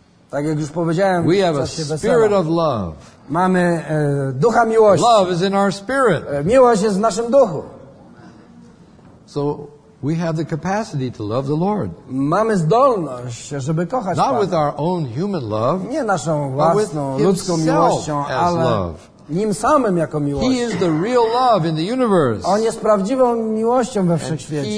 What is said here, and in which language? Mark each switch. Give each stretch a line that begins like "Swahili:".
Polish: tak jak już powiedziałem,
English: we have a spirit of love.
Polish: Mamy ducha miłości.
English: Love is in our spirit.
Polish: Miłość jest w naszym duchu.
English: So we have the capacity to love the Lord.
Polish: Mamy zdolność, żeby kochać Pana.
English: Not with our own human love,
Polish: nie naszą własną ludzką miłością, ale
English: love.
Polish: Nim samym jako miłość.
English: He is the real love in the universe.
Polish: On jest prawdziwą miłością we wszechświecie.